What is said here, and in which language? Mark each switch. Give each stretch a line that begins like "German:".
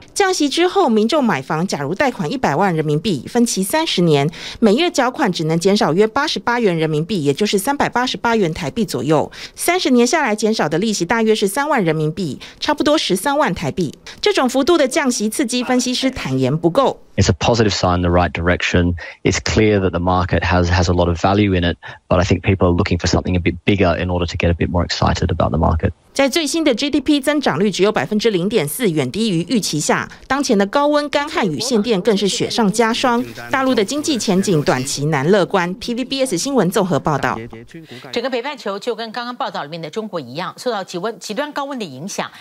Chinese: 降息之后，民众买房假如贷款100万人民币，分期30年，每月缴款只能减少约88元人民币，也就是388元台币左右。 30年下来减少的利息大约是3万人民币，差不多13万台币。这种幅度的降息刺激，分析师坦言不够。
English: It's a positive sign in the right direction. It's clear that the market has a lot of value in it, but I think people are looking for something a bit bigger in order to get a bit more excited about the market.
Chinese: 在最新的 GDP 增长率只有0.4%，远低于预期下，当前的高温、干旱与限电更是雪上加霜。大陆的经济前景短期难乐观。 TVBS 新闻综合报道。整个北半球就跟刚刚报道里面的中国一样，受到极端高温的影响。